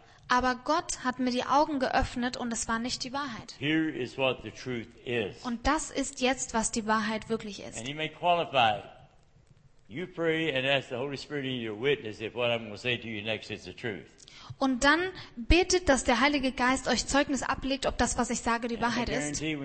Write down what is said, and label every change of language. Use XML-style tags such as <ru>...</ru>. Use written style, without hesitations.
<de>Aber Gott hat mir die Augen geöffnet und es war nicht die Wahrheit.</de> <en>Here is what the truth is.</en> <de>Und das ist jetzt, was die Wahrheit wirklich ist.</de> <en>And you may qualify. You pray and ask the Holy Spirit in your witness if what I'm going to say to you next is the truth.</en> <de>Und dann betet, dass der Heilige Geist euch Zeugnis ablegt, ob das, was ich sage, die Wahrheit ist.</de>